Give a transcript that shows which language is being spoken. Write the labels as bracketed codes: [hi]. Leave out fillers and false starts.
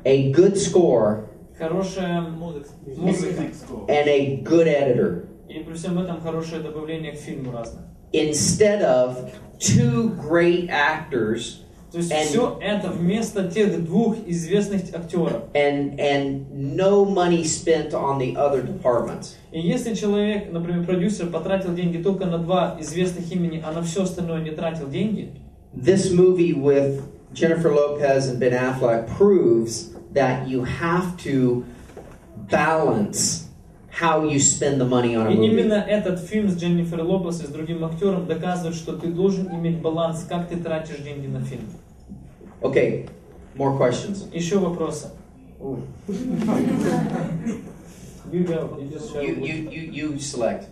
[en] A good score. [ru] Хорошая музыка. [en] And a good editor. [ru] И при всем этом хорошее добавление к фильму разное. [en] Instead of two great actors. [ru] То есть все это вместо тех двух известных актеров. [en] And no money spent on the other departments. [ru] И если человек, например, продюсер, потратил деньги только на два известных имени, а на все остальное не тратил деньги. [en] This movie with Jennifer Lopez and Ben Affleck proves that you have to balance how you spend the money on a movie. [ru] И именно этот фильм с Дженнифер Лопес и с другим актером доказывает, что ты должен иметь баланс, как ты тратишь деньги на фильм. [en] Okay, more questions. [ru] Еще вопросы. [en] You select.